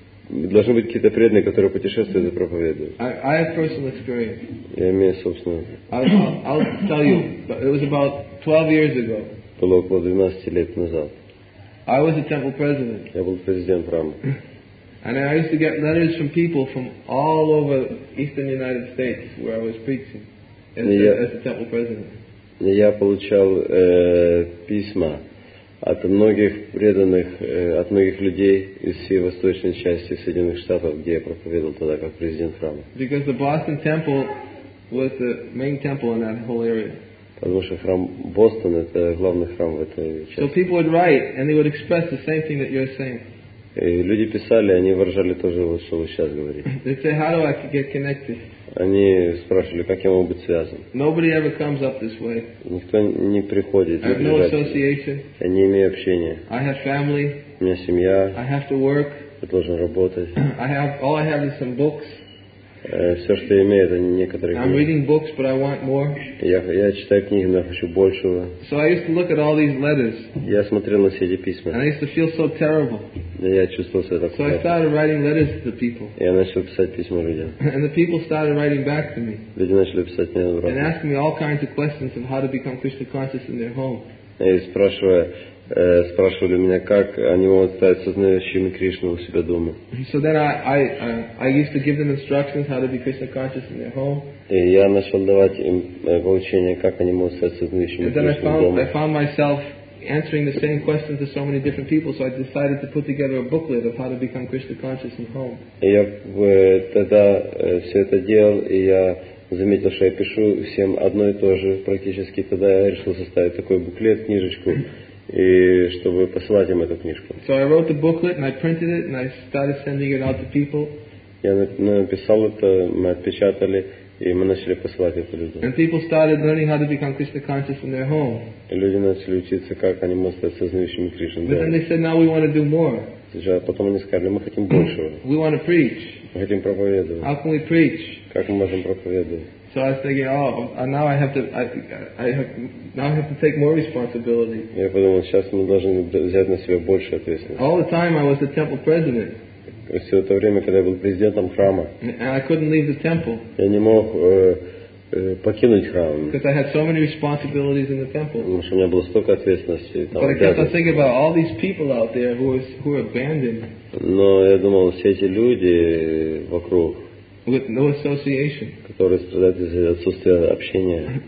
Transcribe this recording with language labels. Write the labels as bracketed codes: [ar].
[ru] Должны быть какие-то преданные, которые путешествуют и проповедуют. [en] I have personal experience. [ru] Я имею собственное. [en] I'll tell you, it was about 12 years ago. [ru] Было около 12 лет назад. [en] I was a temple president. [ru] Я был президент храма. [en] And I used to get letters from people from all over Eastern United States where I was preaching as a temple president. [ru] Я получал письма от многих преданных, от многих людей из всей восточной части Соединенных Штатов, где я проповедовал тогда как президент храма. [en] Because the Boston Temple was the main temple in that whole area. [ru] Потому что храм Бостон — это главный храм в этой части. [en] So people would write, and they would express the same thing that you're saying. [ru] И люди писали, они выражали то же, что вы сейчас говорите. [en] They say, how do I get connected? [ru] Они спрашивали, как я могу быть связан. [en] Nobody ever comes up this way. [ru] Никто не приходит. [en] I have no association. [ru] Я не имею общения. [en] I have family. [ru] У меня семья. [en] I have to work. [ru] Я должен работать. [en] All I have is some books. [ru] Все, что я имею, это некоторые книги. [en] I'm reading books, but I want more. [ru] Я читаю книги, но я хочу большего. [en] So I used to look at all these letters. [ru] Я смотрел на все эти письма. [en] And I used to feel so terrible. [ru] Я чувствовал себя так плохо. [en] So I started writing letters to the people. [ru] Я начал писать письма людям. [en] And the people started writing back to me. [ru] Люди начали писать мне обратно. [en] And asking me all kinds of questions of how to become Krishna conscious in their home. [ru] И спрашивали меня, как они могут стать сознающими Кришну у себя дома. [en] So then I used to give them instructions how to be Krishna conscious in their home. [ru] И я начал давать им поучения, как они могут стать сознающими Кришну дома. [en] And then I found myself answering the same question to so many different people, so I decided to put together a booklet of how to become Krishna conscious and home. [ru] Я тогда все это делал, и я заметил, что я пишу всем одно и то же практически. Тогда я решил составить такой буклет, книжечку, и чтобы посылать им эту книжку. [en] So I wrote the booklet and I printed it and I started sending it out to people. [ru] Я написал это, мы отпечатали. И мы начали посылать это людям. [en] And people started learning how to become Krishna conscious in their home. [ru] И люди начали учиться, как они могут стать сознающими Кришну. [en] But then they said, now we want to do more. [ru] Сначала потом они сказали, мы хотим большего. [en] We want to preach. [ru] Мы хотим проповедовать. [en] How can we preach? [ru] Как мы можем проповедовать? [en] So I was thinking, now I have to take more responsibility. [ru] Я подумал, сейчас мы должны взять на себя больше ответственности. [en] All the time I was the temple president. [ru] Все это время, когда я был президентом храма, я не мог покинуть храм, потому что у меня было столько ответственности. Но я думал, все эти люди вокруг, которые страдают из-за отсутствия общения.